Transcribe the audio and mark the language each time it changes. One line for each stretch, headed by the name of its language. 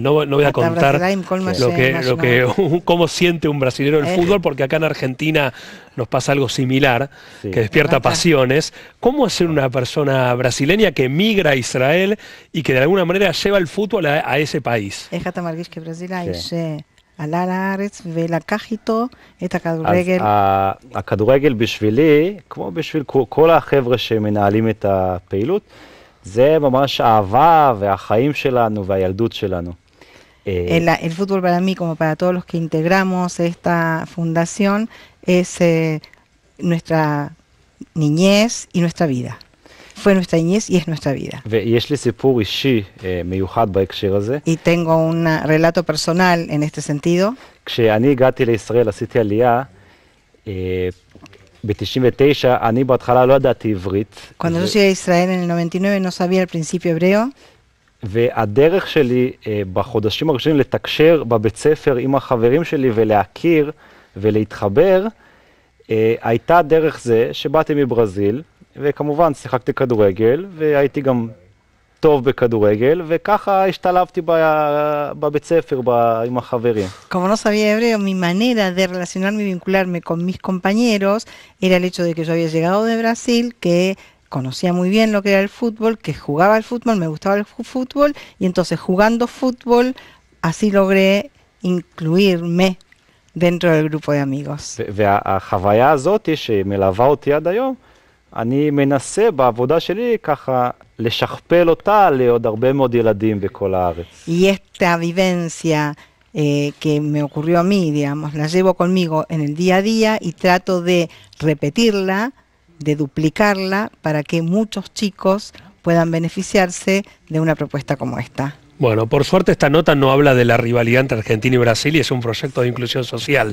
Spanish: No voy a contar cómo siente un brasileño el fútbol, porque acá en Argentina nos pasa algo similar, sí, que despierta pasiones. ¿Cómo es ser una persona brasileña que migra a Israel y que de alguna manera lleva el fútbol a ese país? Es hasta marquís que Brasil hay
Hebrew: עלה לארץ ולקח איתו את הכדורגל. אז הכדורגל בשבילי, כמו בשביל כל החבר'ה שמנהלים את הפעילות, זה ממש אהבה והחיים שלנו והילדות שלנו.
Spanish: El fútbol para mí, como para todos los que integramos esta fundación, es nuestra niñez y nuestra vida. Fue nuestra niñez y es nuestra vida.
Hebrew: ויש לי סיפור אישי מיוחד בהקשר הזה.
Spanish: Y tengo un relato personal en este sentido.
Hebrew: כשאני הגעתי לישראל, עשיתי עלייה, ב-99, אני בהתחלה לא ידעתי עברית.
Spanish: Cuando yo llegué a Israel en el 99, no sabía al principio hebreo.
Hebrew: והדרך שלי בחודשים הראשונים לתקשר בבית ספר עם החברים שלי ולהכיר ולהתחבר, הייתה דרך זה שבאתי מברזיל, וכמובן שיחקתי כדורגל, והייתי גם טוב בכדורגל, וככה השתלבתי בבית ספר עם החברים.
Spanish: Como no sabía hebreo, mi manera de relacionarme y vincularme con mis compañeros era el hecho de que yo había llegado de Brasil, que conocía muy bien lo que era el fútbol, que jugaba al fútbol, me gustaba el fútbol, y entonces jugando fútbol, así logré incluirme dentro del grupo de amigos.
Hebrew: והחוויה הזאת שמלווה אותי עד היום, אני מנסה בעבודה שלי ככה לשכפל אותה לעוד הרבה מאוד ילדים בכל הארץ.
Spanish: Y esta vivencia que me ocurrió a mí, digamos, la llevo conmigo en el día a día y trato de repetirla, de duplicarla, para que muchos chicos puedan beneficiarse de una propuesta como esta. Bueno, por suerte esta nota no habla de la rivalidad entre Argentina y Brasil y es un proyecto de inclusión social.